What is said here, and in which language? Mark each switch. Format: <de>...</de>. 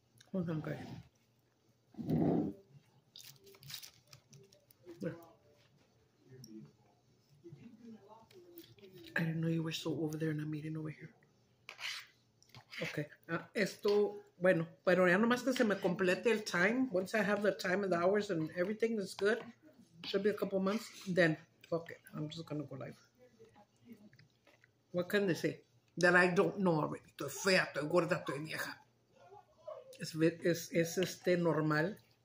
<en>Hold on, guys. I didn't know you were so over there and I'm eating over here. Okay.</en> <es>Esto, bueno, pero ya nomás que se me complete el time.</es> <en>Once I have the time and the hours and everything is good, should be a couple months, then fuck it. I'm just going to go live. What can they say? That I don't know already.</en> <es>Estoy fea, estoy gorda, estoy vieja. Es este normal.</es>